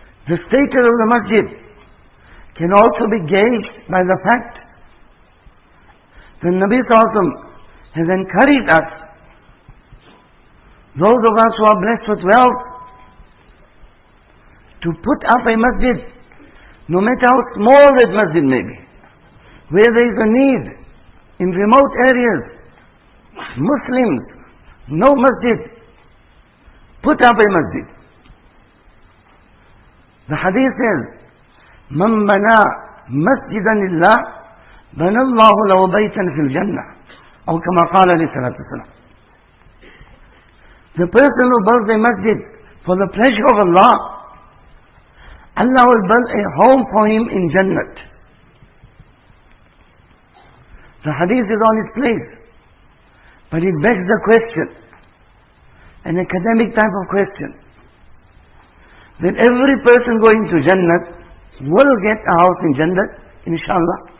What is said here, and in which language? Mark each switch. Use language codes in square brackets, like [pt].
[en] The status of the masjid can also be gauged by the fact that Nabi Sallallahu Alaihi Wasallam has encouraged us, those of us who are blessed with wealth, to put up a masjid, no matter how small that masjid may be, where there is a need in remote areas. Muslims, no masjid, put up a masjid. The hadith says, [ar] مَنْ بَنَى مَسْجِدًا لِلَّهِ بَنَى اللَّهُ لَهُ بَيْتًا فِي الْجَنَّةِ, أو كما قال عليه الصلاة والسلام. [en] The person who builds a masjid for the pleasure of Allah, Allah will build a home for him in Jannah. The hadith is on its place, but it begs the question, an academic type of question, that every person going to Jannah will get a house in Jannah, inshallah.